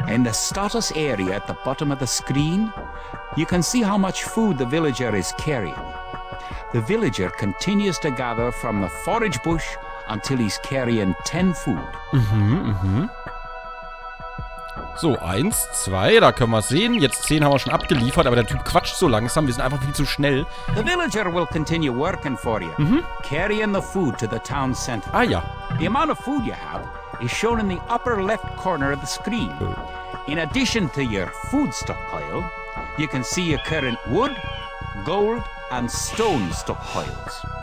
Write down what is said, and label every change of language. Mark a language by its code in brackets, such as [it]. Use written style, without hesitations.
[en] In the status area at the bottom of the screen, you can see how much food the villager is carrying. The villager continues to gather from the forage bush until he's carrying 10 food. [de] So, 1, 2, da können wir es sehen. Jetzt 10 haben wir schon abgeliefert, aber der Typ quatscht so langsam, wir sind einfach viel zu schnell. [en] The villager will continue working for you, carrying the food to the town center. [de] Ah ja. [en] The amount of food you have is shown in the upper left corner of the screen. In addition to your food stockpile, you can see your current wood, gold and stone stockpiles.